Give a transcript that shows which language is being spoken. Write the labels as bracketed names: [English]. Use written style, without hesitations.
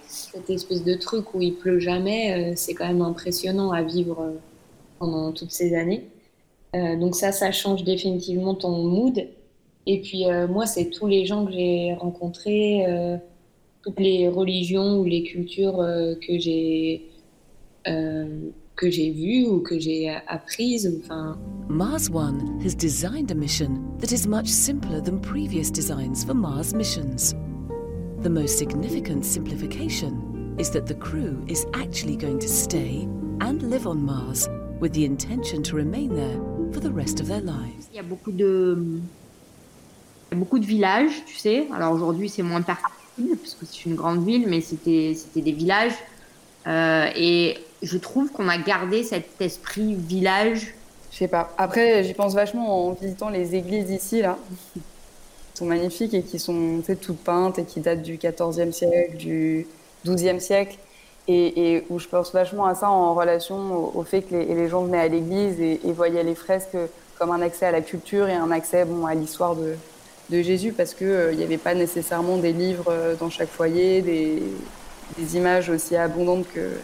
[French] Cette espèce de truc où il pleut jamais, c'est quand même impressionnant à vivre pendant toutes ces années. Donc ça, ça change définitivement ton [English] mood. [French] Et puis moi, c'est tous les gens que j'ai rencontrés, toutes les religions ou les cultures que j'ai vues ou que j'ai apprises. Enfin. [English] Mars One has designed a mission that is much simpler than previous designs for Mars missions. The most significant simplification is that the crew is actually going to stay and live on Mars with the intention to remain there for the rest of their lives. [French] Il y a beaucoup de villages, tu sais. Alors aujourd'hui, c'est moins particulier parce que c'est une grande ville, mais c'était des villages. Et je trouve qu'on a gardé cet esprit village. Je sais pas. Après, j'y pense vachement en visitant les églises ici, là. Sont magnifiques et qui sont toutes peintes et qui datent du 14e siècle, du 12e siècle, et où je pense vachement à ça en relation au fait que les gens venaient à l'église et voyaient les fresques comme un accès à la culture et un accès à l'histoire de Jésus, parce qu'il n'y avait pas nécessairement des livres dans chaque foyer, des images aussi abondantes que.